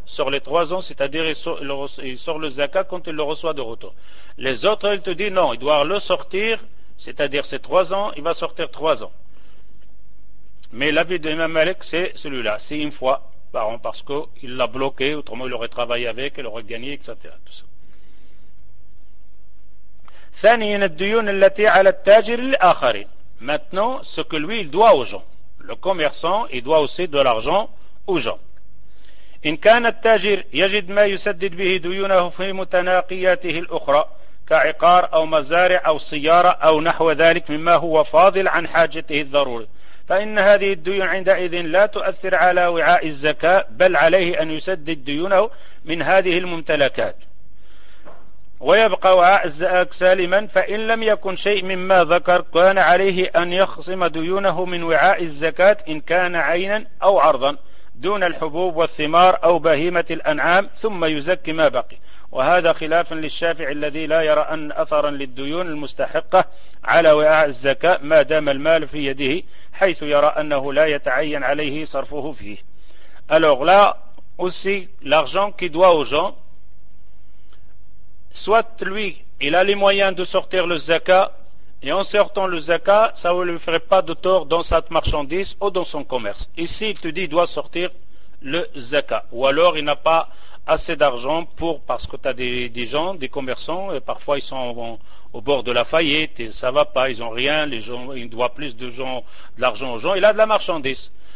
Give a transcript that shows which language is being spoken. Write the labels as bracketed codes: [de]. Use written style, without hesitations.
[fr] Sur les 3 ans, c'est-à-dire il sort le zakat quand il le reçoit de retour. Les autres, il te dit non, il doit le sortir, c'est-à-dire ces 3 ans, il va sortir 3 ans. Mais l'avis de Imam Malik, c'est celui-là, c'est une fois, parce qu'il l'a bloqué, autrement il aurait travaillé avec, il aurait gagné, etc. Tout ça. [ar] ثانيا الديون التي على التاجر الآخرين. [fr] Maintenant, ce que lui, il doit aux gens. Le commerçant, il doit aussi de l'argent aux gens. [ar] إن كان التاجر يجد ما يسدد به ديونه في متناقياته الأخرى كعقار أو مزارع أو سيارة أو نحو ذلك مما هو فاضل عن حاجته الضرورية فإن هذه الديون عندئذ لا تؤثر على وعاء الزكاة بل عليه أن يسدد ديونه من هذه الممتلكات ويبقى وعاء الزكاة سالما فإن لم يكن شيء مما ذكر كان عليه أن يخصم ديونه من وعاء الزكاة إن كان عينا أو عرضا دون الحبوب والثمار أو بهيمة الأنعام ثم يزكي ما بقي وهذا خلاف للشافع الذي لا يرى أن أثرا للديون المستحقة على وعاء الزكاة ما دام المال في يده حيث يرى أنه لا يتعين عليه صرفه فيه. [fr] Alors là aussi l'argent qui doit aux gens, soit lui, il a les moyens de sortir le zakat, et en sortant le zakat, ça ne lui ferait pas de tort dans sa marchandise ou dans son commerce. Ici, il te dit, il doit sortir le zakat. Ou alors, il n'a pas assez d'argent pour, parce que tu as des gens, des commerçants, et parfois ils sont au bord de la faillite, et ça ne va pas, ils n'ont rien, les gens, il doit plus de l'argent aux gens, il a de la marchandise.